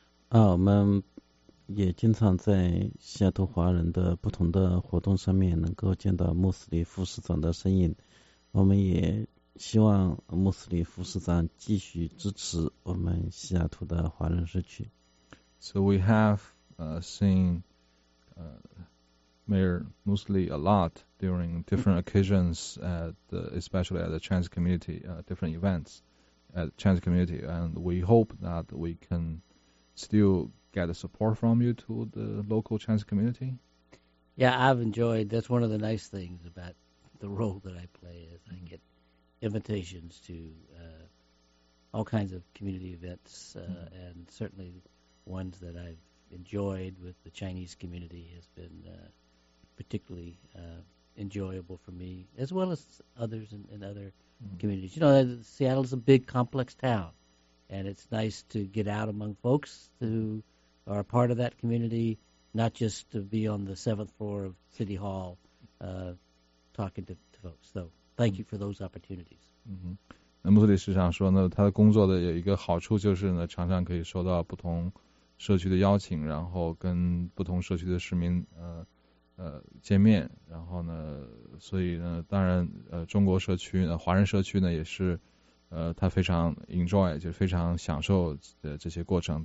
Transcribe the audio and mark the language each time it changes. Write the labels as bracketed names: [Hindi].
[Chinese] 我们也经常在西雅图华人的不同的活动上面能够见到穆斯里副市长的身影，我们也希望穆斯里副市长继续支持我们西雅图的华人社区。 [English] So we have seen Mayor Mosley a lot during different occasions especially at the trans community different events at trans community, and we hope that we can still get the support from you to the local Chinese community? Yeah, I've enjoyed, that's one of the nice things about the role that I play is I get invitations to all kinds of community events, and certainly ones that I've enjoyed with the Chinese community has been particularly enjoyable for me, as well as others in other communities. You know, Seattle's a big, complex town, and it's nice to get out among folks who are a part of that community, not just to be on the 7th floor of City Hall talking to folks. So thank you for those opportunities. [Chinese] 那穆斯里市长说呢，他的工作的有一个好处就是呢，常常可以收到不同社区的邀请，然后跟不同社区的市民见面，然后呢，所以呢，当然中国社区华人社区呢也是他非常 enjoy, 就是非常享受的这些过程。